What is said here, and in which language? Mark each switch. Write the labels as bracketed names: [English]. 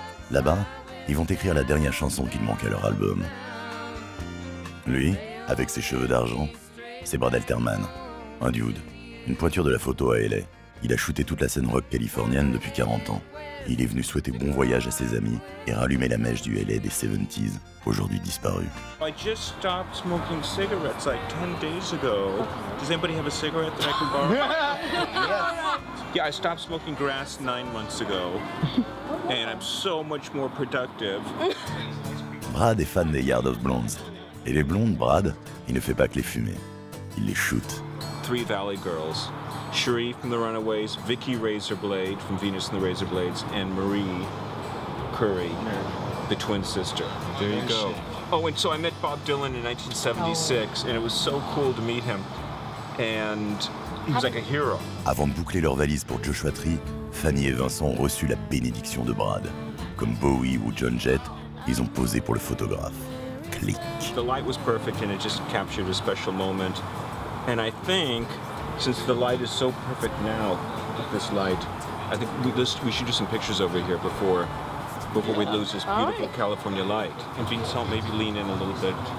[French] Là-bas, ils vont écrire la dernière chanson qu'il manque à leur album. Lui, avec ses cheveux d'argent, c'est Brad Alterman, un dude, une pointure de la photo à LA. Il a shooté toute la scène rock californienne depuis 40 ans. Il est venu souhaiter bon voyage à ses amis et rallumer la mèche du LA des 70s, aujourd'hui disparu. [English] I just stopped smoking cigarettes like 10 days ago. Does anybody have a cigarette that I can borrow? Yeah, I stopped smoking grass 9 months ago. And I'm so much more productive. [French] Brad est fan des Yard of Blondes. Et les blondes, Brad, il ne fait pas que les fumer. Il les shoot. [English] Three Valley Girls. Cherie from The Runaways, Vicky Razorblade from Venus and the Razorblades, and Marie Curry, the twin sister. There you go. Oh, and so I met Bob Dylan in 1976, and it was so cool to meet him. And he was like a hero. [French] Avant de boucler leur valise pour Joshua Tree, Fanny et Vincent ont reçu la bénédiction de Brad. Comme Bowie ou John Jett, ils ont posé pour le photographe. Click. [English] The light was perfect, and it just captured a special moment. And I think, since the light is so perfect now, this light, I think we should do some pictures over here before we lose this beautiful right. California light. And Vincent, maybe lean in a little bit.